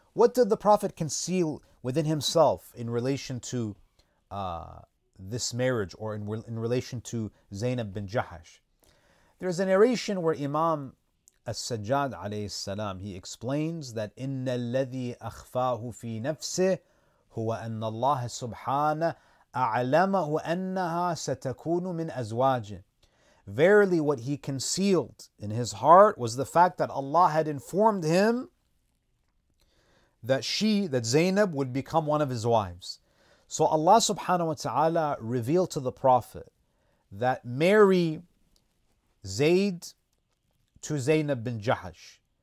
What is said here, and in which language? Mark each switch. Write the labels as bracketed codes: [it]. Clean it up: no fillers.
[en] What did the Prophet conceal within himself in relation to this marriage, or in relation to Zaynab bin Jahash? There's a narration where Imam As-Sajjad alayhi salam, he explains that, [ar] إِنَّ الَّذِي أَخْفَاهُ فِي نَفْسِهِ هو أن الله سبحانه أعلمه أنها ستكون من أزواجه. [en] Verily, what he concealed in his heart was the fact that Allah had informed him that she, that Zaynab, would become one of his wives. So Allah subhanahu wa ta'ala revealed to the Prophet that marry Zayd to Zaynab bin Jahash.